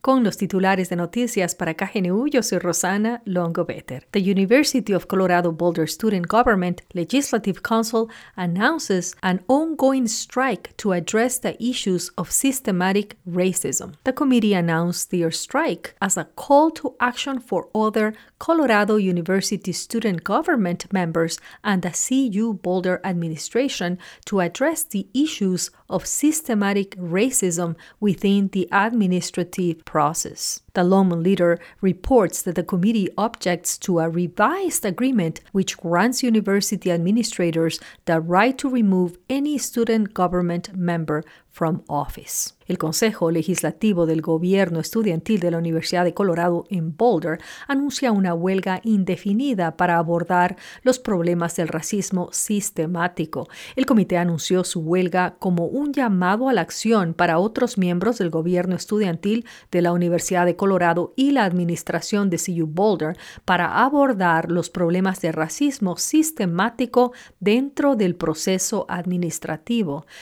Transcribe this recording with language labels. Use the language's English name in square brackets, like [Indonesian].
[Spanish] Con los titulares de noticias para KGNU, yo soy Rosana Longobetter. [English] The University of Colorado Boulder Student Government Legislative Council announces an ongoing strike to address the issues of systematic racism. The committee announced their strike as a call to action for other Colorado University student government members and the CU Boulder administration to address the issues of systematic racism within the administrative process. The Loman Leader reports that the committee objects to a revised agreement which grants university administrators the right to remove any student government member from office. [Spanish] El Consejo Legislativo del Gobierno Estudiantil de la Universidad de Colorado en Boulder anuncia una huelga indefinida para abordar los problemas del racismo sistemático. El comité anunció su huelga como un llamado a la acción para otros miembros del Gobierno Estudiantil de la Universidad de Colorado y la administración de CU Boulder para abordar los problemas de racismo sistemático dentro del proceso administrativo.